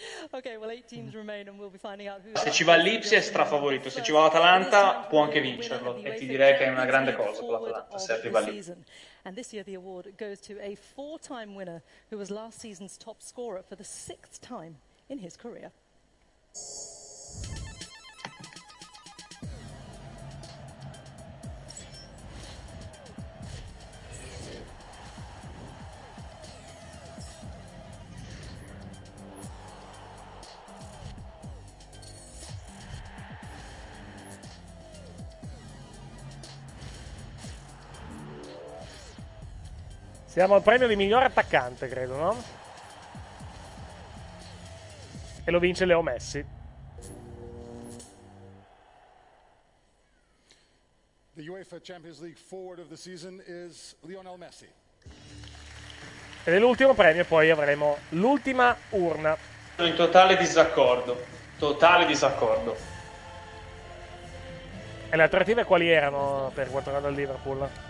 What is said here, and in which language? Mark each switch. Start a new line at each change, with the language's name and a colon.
English: Okay, well, 8 teams remain and we'll be finding out who.
Italian: Se ci va l'Ipsia è strafavorito, se ci va l'Atalanta può anche vincerlo e ti direi che è una grande cosa con l'Atalanta se arriva lì.
English: And this year the award goes to a four-time winner who was last season's top scorer for the sixth time in his career.
Italian: Siamo al premio di miglior attaccante, credo, no? E lo vince Leo Messi.
English: The UEFA Champions League forward of the season is Lionel Messi.
Italian: Ed è l'ultimo premio, poi avremo l'ultima urna. Sono in totale disaccordo. Totale disaccordo. E le alternative quali erano per quanto riguarda il Liverpool?